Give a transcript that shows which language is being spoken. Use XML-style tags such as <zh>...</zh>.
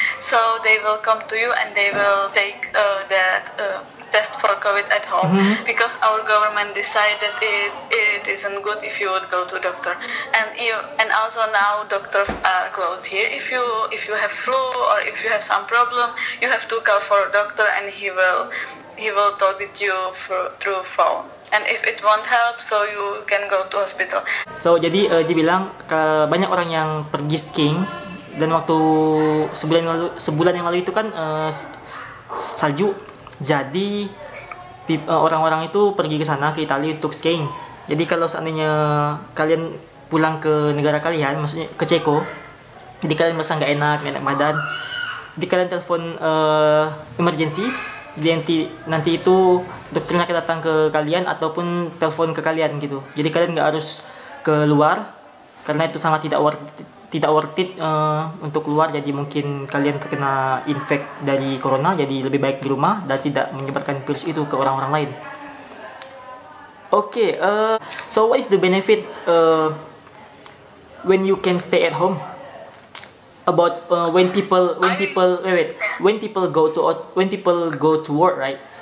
<en>So they will come to you and they will take that test for COVID at home, because our government decided it isn't good if you would go to doctor, and also now doctors are closed here. If you have flu or if you have some problem, you have to call for a doctor and he will talk with you through phone, and if it won't help, so you can go to hospital.</en> <id>So jadi dia bilang banyak orang yang pergi skiing dan waktu sebulan yang lalu itu kan salju. Jadi orang-orang itu pergi ke sana ke Italia untuk skiing. Jadi kalau seandainya kalian pulang ke negara kalian, maksudnya ke Ceko, jadi kalian merasa nggak enak badan, jadi kalian telepon emergency, nanti itu dokternya akan datang ke kalian ataupun telepon ke kalian gitu. Jadi kalian nggak harus keluar karena itu sangat tidak worth it untuk keluar. Jadi mungkin kalian terkena infect dari corona, jadi lebih baik di rumah dan tidak menyebarkan virus itu ke orang-orang lain.</id> <en>Okay, so what is the benefit when you can stay at home? About when people go to work, right?</en>